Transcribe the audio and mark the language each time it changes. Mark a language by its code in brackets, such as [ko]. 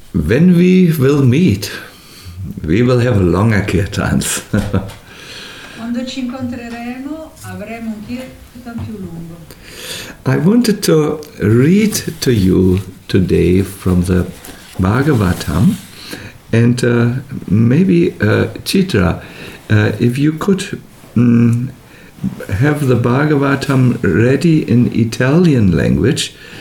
[en] When we will meet, we will have a longer kirtans. [it] Quando ci incontreremo, avremo un kirtan più lungo. [en] I wanted to read to you today from the Bhagavatam, and maybe Chitra, if you could have the Bhagavatam ready in Italian language.